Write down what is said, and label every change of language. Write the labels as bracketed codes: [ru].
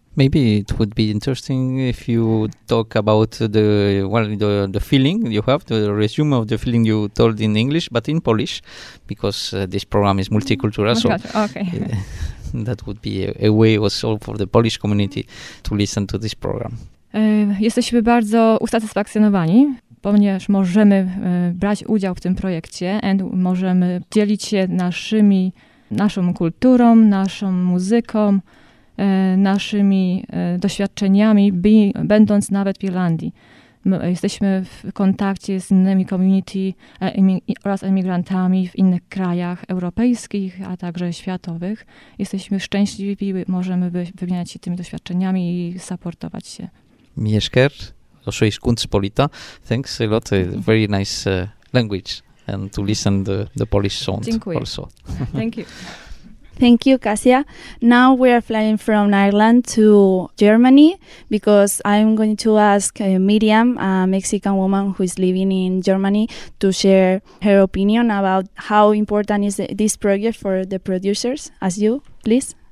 [en] Maybe it would be interesting if you talk about the feeling you have, the resume of the feeling you told in English, but in Polish, because this program is multicultural. Oh my gosh. Okay. That would be a way also for the Polish community to listen to this program. [pl] Jesteśmy bardzo usatysfakcjonowani, ponieważ możemy brać udział w tym projekcie and możemy dzielić się naszą kulturą, naszą muzyką, naszymi doświadczeniami, będąc nawet w Irlandii. Jesteśmy w kontakcie z innymi community oraz emigrantami w innych krajach europejskich, a także światowych. Jesteśmy szczęśliwi, możemy wymieniać się tymi doświadczeniami i supportować się. Mieszker, oszujesz kunstpolita. [en] Thanks a lot, a very nice language and to listen the Polish sound. [pl] Dziękuję. [en] Also. Thank you. Thank you, Kasia. Now we are flying from Ireland to Germany because I'm going to ask Miriam, a Mexican woman who is living in Germany, to share her opinion about how important is this project for the producers, as you, please.